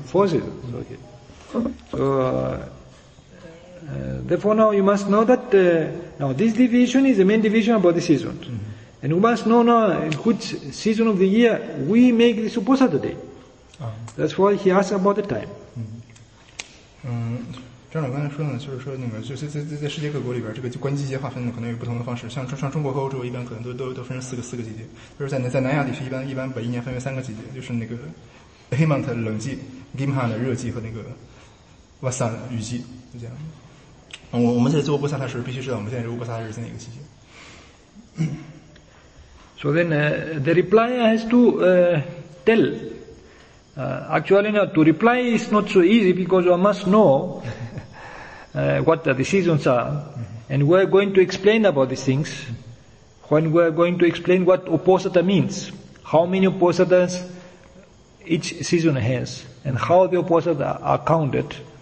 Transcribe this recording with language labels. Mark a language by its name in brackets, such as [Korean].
[English] Four seasons, okay. So therefore now you must know that now this division is the main division about the seasons. And you must know now in which season of the year we make the supposata day. That's why he asked about the time. [Chinese] 嗯，张老刚才说呢，就是说那个，就在世界各国里边，这个关季节划分呢，可能有不同的方式。像中国和欧洲，一般可能都分成四个季节。就是在南亚地区，一般把一年分为三个季节，就是那个 Hemant 冷季、Gimha 的热季和那个 Vasan 雨季，就这样。我们在做波萨的时候，必须知道我们现在是波萨的日子哪个季节。 [English] So then the reply has to tell. Actually, now to reply is not so easy because one must know what the seasons are, and we're going to explain about these things when we're going to explain what opposata means, how many opposatas each season has, and how the opposata are counted.